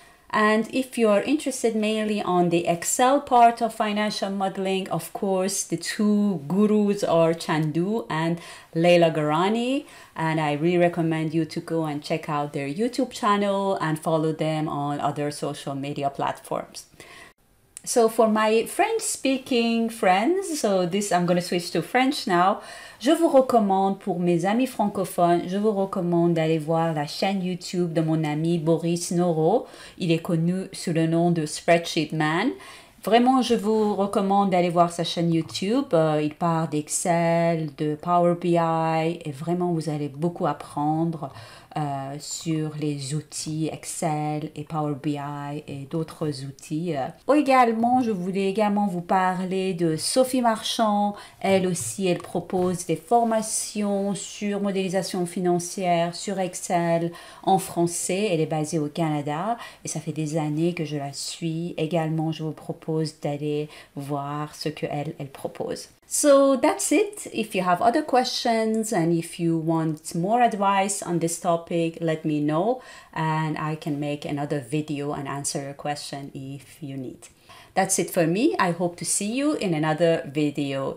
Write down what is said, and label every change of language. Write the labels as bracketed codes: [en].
[en] And if you are interested mainly on the Excel part of financial modeling, of course, the two gurus are Chandoo and Leila Gharani. And I really recommend you to go and check out their YouTube channel and follow them on other social media platforms. So for my French-speaking friends, so this, I'm going to switch to French now. [fr] Je vous recommande, pour mes amis francophones, je vous recommande d'aller voir la chaîne YouTube de mon ami Boris Noro. Il est connu sous le nom de Spreadsheet Man. Vraiment, je vous recommande d'aller voir sa chaîne YouTube. Il parle d'Excel, de Power BI, et vraiment, vous allez beaucoup apprendre sur les outils Excel et Power BI et d'autres outils. Également, je voulais également vous parler de Sophie Marchand. Elle aussi, elle propose des formations sur modélisation financière, sur Excel, en français. Elle est basée au Canada et ça fait des années que je la suis. Également, je vous propose d'aller voir ce qu'elle, elle propose. [en] So that's it. If you have other questions and if you want more advice on this topic, let me know and I can make another video and answer your question if you need. That's it for me. I hope to see you in another video.